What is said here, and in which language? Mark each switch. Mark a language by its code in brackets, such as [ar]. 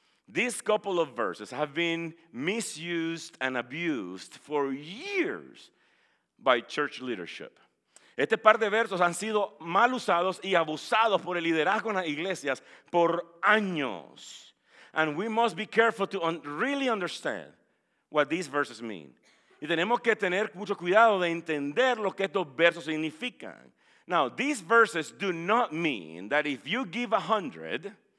[en] These couple of verses have been misused and abused for years by church leadership. [es] Este par de versos han sido mal usados y abusados por el liderazgo en las iglesias por años. [en] And we must be careful to really understand what these verses mean. [es] Y tenemos que tener mucho cuidado de entender lo que estos versos significan. [en] Now, these verses do not mean that if you give $100,